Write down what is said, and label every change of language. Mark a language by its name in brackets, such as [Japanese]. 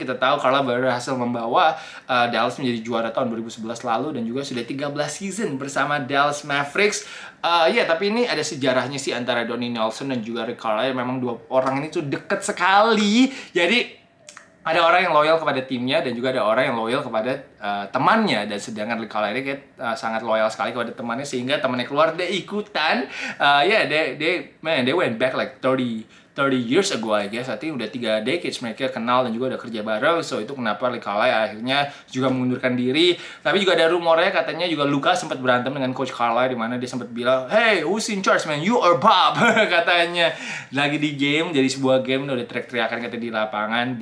[Indonesian] Kita tahu Carlisle berhasil membawa Dallas menjadi juara tahun 2011 lalu, dan juga sudah 13 season bersama Dallas Mavericks. Iya, tapi ini ada sejarahnya sih antara Donny Nelson dan juga Rick Carlisle. Memang dua orang ini tuh deket sekali. Jadi ada orang yang loyal kepada timnya dan juga ada orang yang loyal kepada temannya. Dan sedangkan Rick Carlisle ini sangat loyal sekali kepada temannya, sehingga temannya keluar, dia ikutan. [English] They went back like 30 years ago, I guess. I think [Indonesian] udah 3 decades mereka kenal dan juga udah kerja bareng. So, itu kenapa Rick Carlisle akhirnya juga mengundurkan diri. Tapi juga ada rumornya katanya juga Luka sempat berantem dengan Coach Carlisle, di mana dia sempat bilang, [English] "Hey, who's in charge, man? You or Bob?" [Indonesian] katanya. Lagi di game, jadi sebuah game, udah teriak-teriakan kata di lapangan.